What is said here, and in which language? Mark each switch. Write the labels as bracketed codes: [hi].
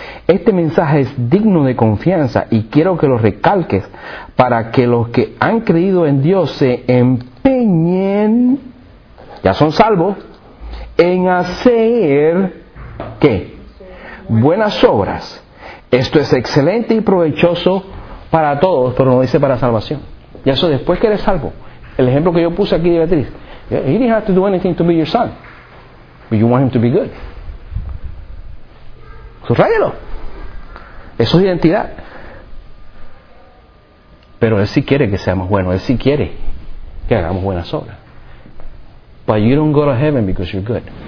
[es] Este mensaje es digno de confianza y quiero que lo recalques para que los que han creído en Dios se empeñen, ya son salvos, en hacer, ¿qué? Buenas obras. Esto es excelente y provechoso para todos, pero no dice para salvación. Y eso después que eres salvo. El ejemplo que yo puse aquí de Beatriz. [en] He didn't have to do anything to be your son, but you want him to be good. [es] Subráyelo. Eso es identidad. Pero él sí quiere que seamos buenos. Él sí quiere que hagamos buenas obras. [en] But you don't go to heaven because you're good.